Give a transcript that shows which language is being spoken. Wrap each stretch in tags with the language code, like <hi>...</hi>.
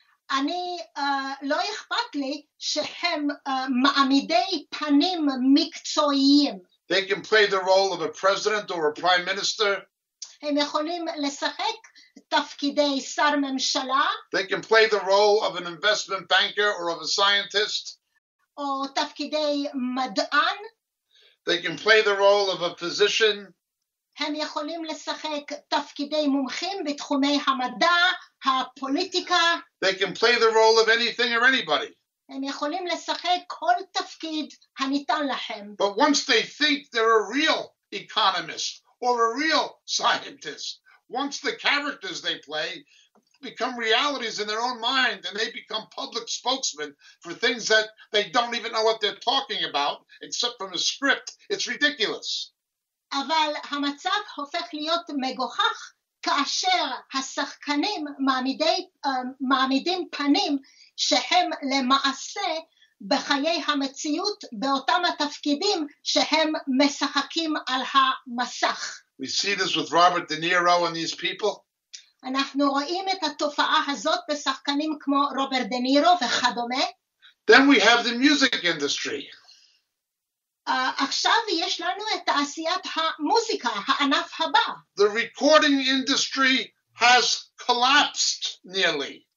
<he>אני לא אכפת לי שהם מעמידי פנים מקצועיים.</he> <en>They can play the role of a president or a prime minister.</en> <he>הם יכולים לשחק תפקידי שר ממשלה.</he> <en>They can play the role of an investment banker or of a scientist.</en> <he>או תפקידי מדען.</he> <en>They can play the role of a physician.</en> <he>הם יכולים לשחק תפקידי מומחים בתחומי המדע, הפוליטיקה.</he> <en>They can play the role of anything or anybody.</en> <he>הם יכולים לשחק כל תפקיד הניתן להם.</he> <en>But once they think they're a real economist or a real scientist, once the characters they play become realities in their own mind and they become public spokesmen for things that they don't even know what they're talking about except from a script, it's ridiculous.</en> <he>אבל המצב הופך להיות מגוחך כאשר השחקנים מעמידים פנים שהם למעשה בחיי המציאות באותם התפקידים שהם משחקים על המסך.</he> <en>We see this with Robert De Niro and these people.</en> <he>אנחנו רואים את התופעה הזאת בשחקנים כמו רוברט דה נירו וכדומה.</he> <en>Then we have the music industry.</en> <he>עכשיו יש לנו את תעשיית המוזיקה, הענף הבא.</he> <en>The recording industry has collapsed nearly.</en>